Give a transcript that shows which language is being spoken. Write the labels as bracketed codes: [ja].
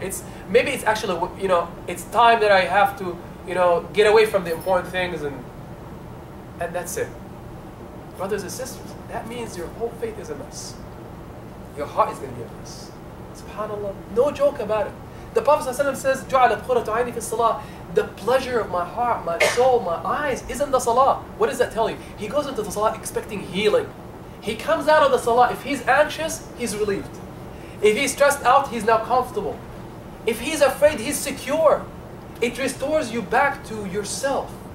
[en] It's maybe it's actually, you know, it's time that I have to, you know, get away from the important things, and that's it. Brothers and sisters, that means your whole faith is a mess. Your heart is going to be a mess. SubhanAllah, no joke about it. The Prophet ﷺ says, [ar] جعل الطرة عيني في الصلاة. [en] The pleasure of my heart, my soul, my eyes isn't the salah. What does that tell you? He goes into the salah expecting healing. He comes out of the salah. If he's anxious, he's relieved. If he's stressed out, he's now comfortable. If he's afraid, he's secure. It restores you back to yourself.